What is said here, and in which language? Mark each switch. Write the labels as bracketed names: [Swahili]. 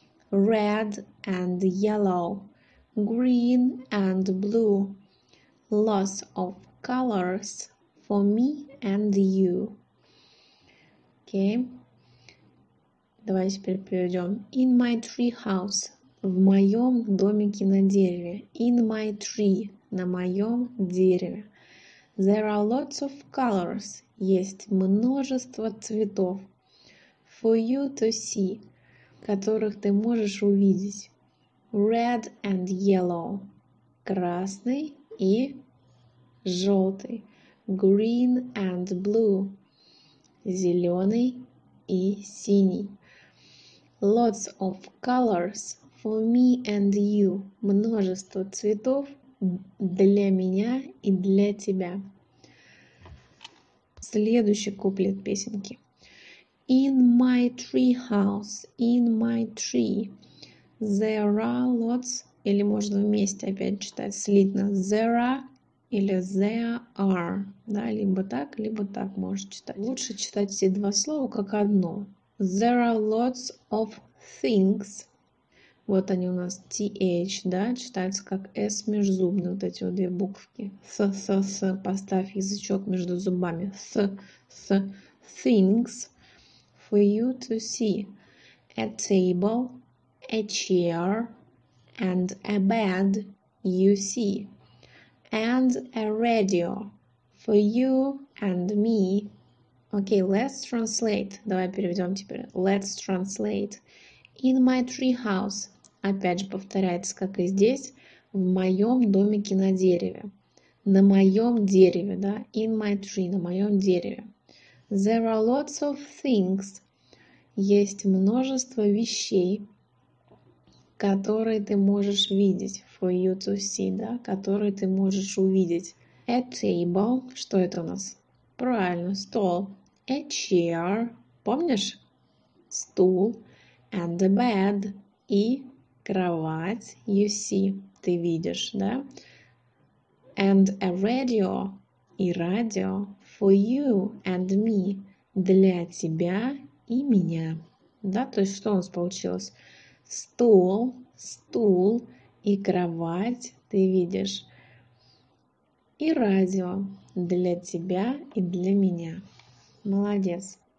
[English] Red and yellow, green and blue, lots of colors for me and you. [Russian] Окей. Давай теперь перейдем. [English] In my tree house, [Russian] в моем домике на дереве. [English] In my tree, [Russian] на моем дереве. [English] There are lots of colors, [Russian] есть множество цветов. [English] For you to see, [Russian] которых ты можешь увидеть. [English] Red and yellow, [Russian] красный и желтый. [English] Green and blue, [Russian] зеленый и синий. [English] Lots of colors for me and you. [Russian] Множество цветов для меня и для тебя. Следующий куплет песенки. [English] In my tree house, in my tree, there are lots, [Russian] или можно вместе опять читать слитно, [English] there are, или there are, [Russian] да, либо так можешь читать. Лучше читать все два слова как одно. [English] There are lots of things. [Russian] Вот они у нас, th, да, читаются как s межзубные, вот эти вот две буквки. С, поставь язычок между зубами. [English] С, things for you to see. A table, a chair, and a bed you see. And a radio for you and me. Okay, let's translate. [Russian] Давай переведем теперь. [English] Let's translate. In my treehouse. [Russian] Опять же повторяется, как и здесь. В моем домике на дереве. На моем дереве, да? [English] In my tree, [Russian] на моем дереве. [English] There are lots of things. [Russian] Есть множество вещей, которые ты можешь видеть, [English] for you to see, [Russian] да, которые ты можешь увидеть. [English] A table, [Russian] что это у нас? Правильно, стол. [English] A chair, [Russian] помнишь? Стул. [English] And a bed, [Russian] и кровать, [English] you see, [Russian] ты видишь, да? [English] And a radio, [Russian] и радио, [English] for you and me, [Russian] для тебя и меня. Да, то есть что у нас получилось? Стол. Стул и кровать ты видишь. И радио для тебя и для меня. Молодец.